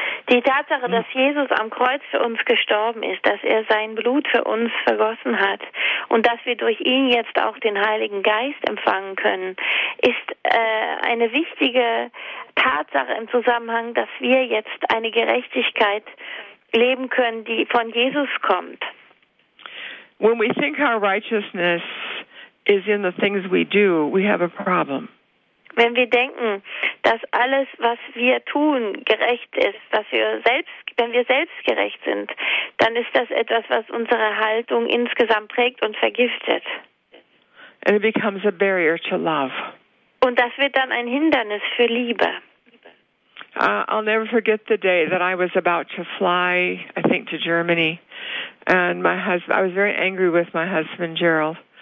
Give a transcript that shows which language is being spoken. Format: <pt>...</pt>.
<de>Die Tatsache, dass Jesus am Kreuz für uns gestorben ist, dass er sein Blut für uns vergossen hat und dass wir durch ihn jetzt auch den Heiligen Geist empfangen können, ist eine wichtige Tatsache im Zusammenhang, dass wir jetzt eine Gerechtigkeit leben können, die von Jesus kommt.</de> <en>When we think our righteousness is in the things we do, we have a problem.</en> <de>Wenn wir denken, dass alles, was wir tun, gerecht ist, wenn wir selbstgerecht sind, dann ist das etwas, was unsere Haltung insgesamt prägt und vergiftet.</de> <en>And it becomes a barrier to love.</en> <de>Und das wird dann ein Hindernis für Liebe.</de> <en>I'll never forget the day that I was about to fly, I think, to Germany. And I was very angry with my husband, Gerald.</en>